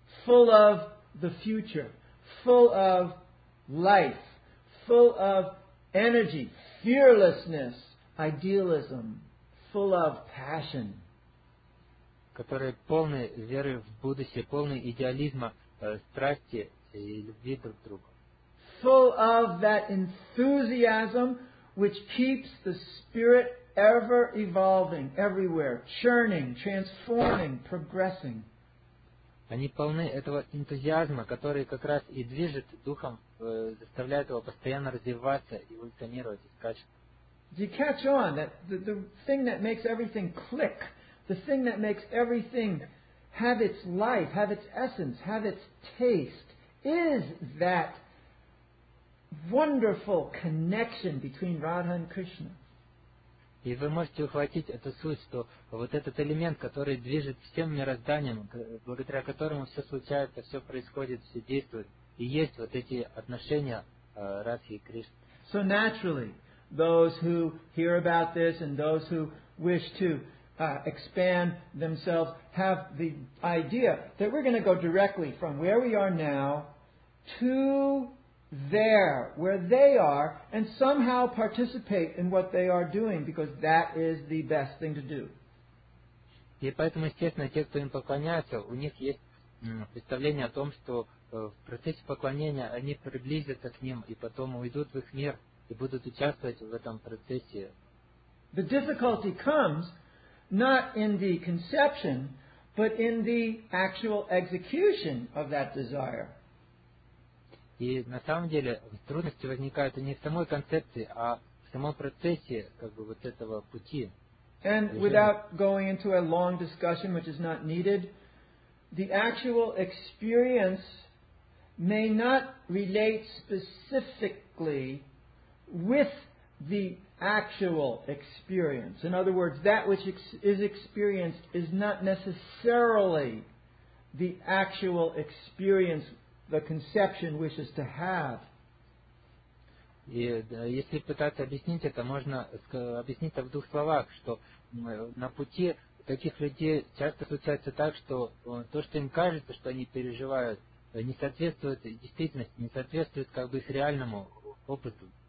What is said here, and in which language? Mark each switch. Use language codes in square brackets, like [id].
[en] Full of the future, full of life, full of energy, fearlessness, idealism, full of passion. [ru] которые полны веры в будущее, полны идеализма, страсти и любви друг к другу. [en] Full of that enthusiasm which keeps the spirit ever evolving, everywhere, churning, transforming, progressing. [ru] Они полны этого энтузиазма, который как раз и движет духом, заставляет его постоянно развиваться, эволюционировать, искать. [en] Do you catch on? That the thing that makes everything click, the thing that makes everything have its life, have its essence, have its taste, is that wonderful connection between Radha and Krishna. [ru] И вы можете ухватить эту суть, что вот этот элемент, который движет всем мирозданием, благодаря которому все случается, все происходит, все действует, и есть вот эти отношения Радхи и Кришны. [en] So naturally, those who hear about this and those who wish to expand themselves have the idea that we're going to go directly from where we are now to there, where they are, and somehow participate in what they are doing, because that is the best thing to do. [ru] И поэтому, естественно, те, кто им поклоняется, у них есть представление о том, что в процессе поклонения они приблизятся к ним и потом уйдут в их мир и будут участвовать в этом процессе. [en] The difficulty comes not in the conception, but in the actual execution of that desire. [ru] И на самом деле трудности возникают не в самой концепции, а в самом процессе как бы вот этого пути. [en] And without going into a long discussion, which is not needed, the actual experience may not relate specifically with the actual experience. In other words, that which is experienced is not necessarily the actual experience the conception wishes to have. [ru] И если пытаться объяснить это, можно объяснить это в двух словах, что на пути таких людей часто случается так, что то, что им кажется, что они переживают, не соответствует действительности, не соответствует как бы их реальному опыту.